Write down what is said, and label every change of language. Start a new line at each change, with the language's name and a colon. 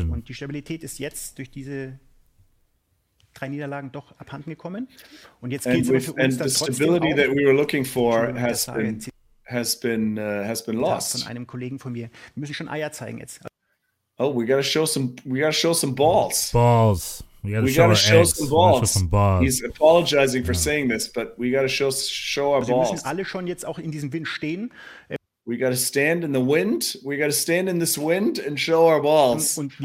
German: Und die Stabilität ist jetzt durch diese drei Niederlagen doch abhanden gekommen. Und jetzt geht's aber für uns dann
English: stability
German: auch,
English: that we were looking for has been lost.
German: Von einem Kollegen von mir. Wir müssen schon Eier zeigen jetzt.
English: Oh, we gotta show some balls. Balls. We gotta show some balls. He's apologizing for saying this, but we gotta show our balls.
German: Wir müssen alle schon jetzt auch in diesem Wind stehen.
English: We got to stand in the wind. We got to stand in this wind and show our balls.